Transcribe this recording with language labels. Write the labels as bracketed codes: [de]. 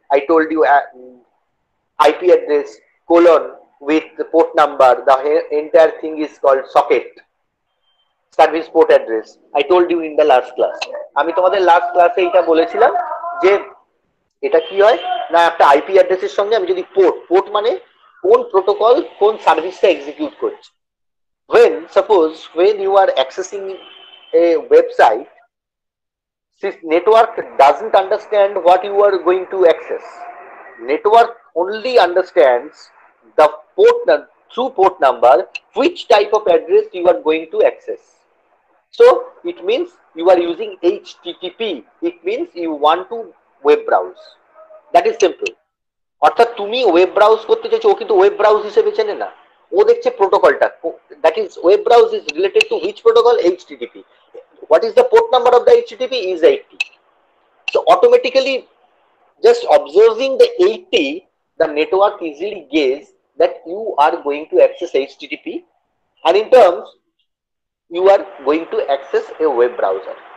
[en] I told you IP address colon with the port number, the entire thing is called socket, service port address. I told you in the last class. [bn] আমি তোমাদের [en] last class [bn] এ এটা বলেছিলাম যে এটা কি হয় না, একটা IP address এর সঙ্গে আমি যদি port, port মানে কোন protocol কোন service টা execute করছে। [en] When, suppose, when you are accessing a website, this network doesn't understand what you are going to access. Network only understands the port, through port number, which type of address you are going to access. So, it means you are using HTTP. It means you want to web browse. That is simple. [bn] অর্থাৎ তুমি web browse করতে চাইছো, ও কিন্তু web browse হিসেবে চেনে না, ও দেখছে প্রোটোকলটা, [en] that is web browse is related to which protocol, [bn] HTTP. [en] What is the port number of the HTTP? Is 80। So automatically just observing the 80, the network easily gauge that you are going to access HTTP, and in terms you are going to access a web browser.